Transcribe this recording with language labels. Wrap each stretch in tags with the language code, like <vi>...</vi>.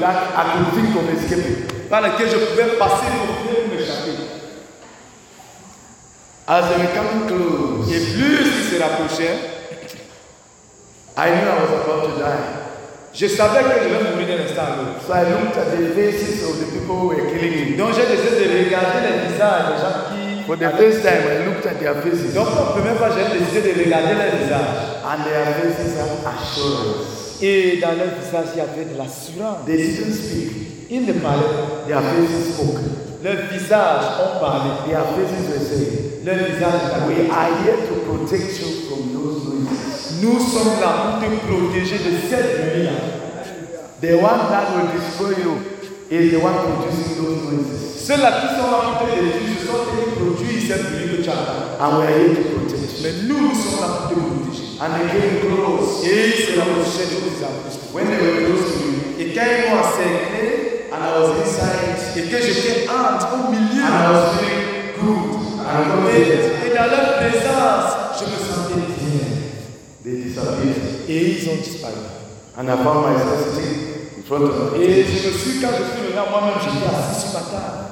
<en>That I could think of escaping.</en> <fr>Par lequel je pouvais passer pour m'échapper.</fr> <en>As they were coming close.</en> <fr>Et plus ils se rapprochaient.</fr> <en>I knew I was about to die.</en> <fr>Je savais que je vais mourir d'un instant à l'autre.</fr> <en>So I looked at the faces of the people who were killing me.</en> <fr>Donc j'ai décidé de regarder les visages des gens qui.</fr> <en>For the first time, I looked at their faces.</en> <fr>Donc, pour la première fois, j'ai décidé de regarder leurs visages.</fr> <en>And their faces had assurance.</en> <fr>Et dans leurs visages, il y avait de l'assurance.</fr> <en>They didn't speak.</en> <fr>Ils ne parlaient</fr> <en>pas. Their faces spoke.</en> <fr>Leurs visages ont parlé.</fr> <en>Their faces were saying.</en> <fr>Leurs visages.</fr> <en>We are here to protect you from those noises.</en> <fr>Nous sommes là pour te protéger de cette lumière.</fr> <en>The one that will destroy you is the one producing those noises.</en> <fr>C'est la puissance qui te détruit.</fr> <en>And we are here to protect.</en> <fr>Mais nous sommes là pour te protéger.</fr> <en>And they came close.</en> <fr>Et ils se rapprochaient de nous.</fr> <en>When they were close to me,</en> <fr>et quand ils m'ont cerclé,</fr> <en>and I was inside,</en> <fr>et que j'étais entre au milieu,</fr> <en>and I was feeling good, and</en> <fr>et dans leur présence, je me sentais bien.</fr> <en>They disappeared.</en> <fr>Et ils ont disparu.</fr> <en>And I found myself sitting in front of them.</en> <fr>Et je me suis quand je suis venu moi-même, je suis assis sur ma table.</fr>